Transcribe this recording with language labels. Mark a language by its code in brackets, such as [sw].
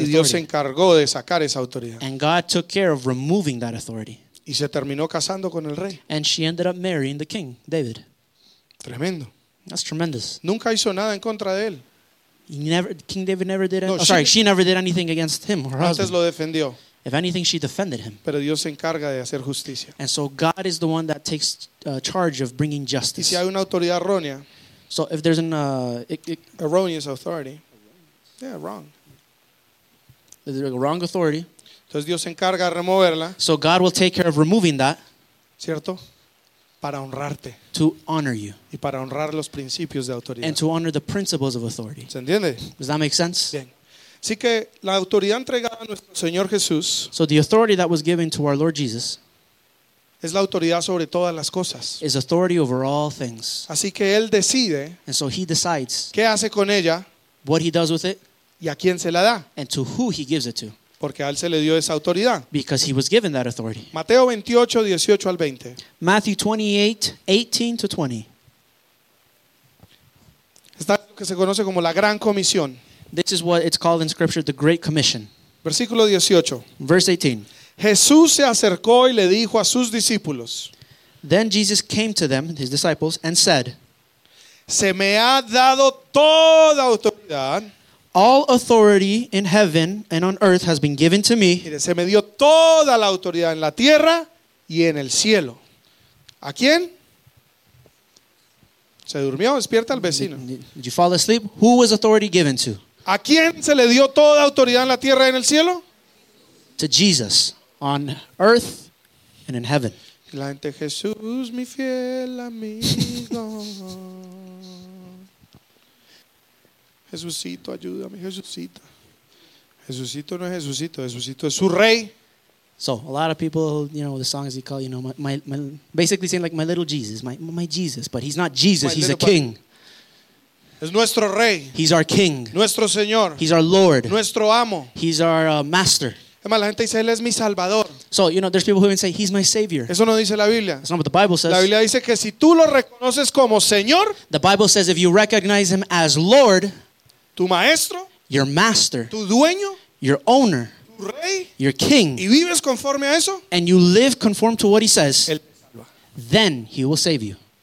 [en] authority. [es] Y Dios se encargó de sacar esa autoridad. [en] And God took care of removing that authority. [es] Y se terminó casando con el rey. [en] And she ended up marrying the king, David. [es] Tremendo. [en] That's tremendous. [es] Nunca hizo nada en contra de él. [en] She never did anything against him, her [es] antes [en] husband. [es] Lo defendió. [en] If anything, she defended him. [es] Pero Dios se encarga de hacer justicia. [en] And so God is the one that takes charge of bringing justice. [es] Y si hay una autoridad errónea, [en] so if there's an erroneous authority, yeah, wrong. Is there a wrong authority? [es] Entonces Dios se encarga de removerla. [en] So God will take care of removing that. [es] ¿Cierto? Para honrarte. [en] To honor you. [es] Y para honrar los principios de autoridad. [en] And to honor the principles of authority. [es] ¿Se entiende? [en] Does that make sense? [es] Bien. Así que la autoridad entregada a nuestro Señor Jesús. [en] So the authority that was given to our Lord Jesus. [es] Es la autoridad sobre todas las cosas. [en] Is authority over all things. [es] Así que Él decide. [en] And so He decides. [es] ¿Qué hace con ella? [en] What He does with it. [es] Y a quién se la da. [en] And to who He gives it to. [es] Porque a él se le dio esa autoridad. [en] Because he was given that authority. [es] Mateo 28, 18 al 20. [en] Matthew 28, 18 to 20. [es] Está lo que se conoce como la Gran Comisión. [en] This is what it's called in Scripture, the Great Commission. [es] Versículo 18. [en] Verse 18. [es] Jesús se acercó y le dijo a sus discípulos. [en] Then Jesus came to them, his disciples, and said, [es] se me ha dado toda autoridad. [en] All authority in heaven and on earth has been given to me. [es] Mire, se me dio toda la autoridad en la tierra y en el cielo. ¿A quién? Se durmió, despierta al vecino. [en] Did you fall asleep? Who was authority given to? [es] ¿A quién se le dio toda autoridad en la tierra y en el cielo? [en] To Jesus, on earth and in heaven. [es] La gente, Jesús, mi fiel amigo. Jesucito, ayúdame, Jesucito. Jesucito no es Jesucito, Jesucito es su rey. [en] So, a lot of people, you know, the songs they call, you know, my basically saying like my little Jesus, my Jesus, but he's not Jesus, he's a king. [es] Es nuestro rey. [en] He's our king. [es] Nuestro señor. [en] He's our lord. [es] Nuestro amo. [en] He's our master. [es] Además, la gente dice, él es mi salvador. [en] So, you know, there's people who even say, he's my savior. [es] Eso no dice la Biblia. [en] That's not what the Bible says. [es] La Biblia dice que si tú lo reconoces como señor, [en] the Bible says if you recognize him as lord, [es] tu maestro, [en] your master, [es] tu dueño, [en] your owner, [es] tu rey, [en] your king, [es] y vives conforme a eso, [en] and you live conform to what he says, then he will save you.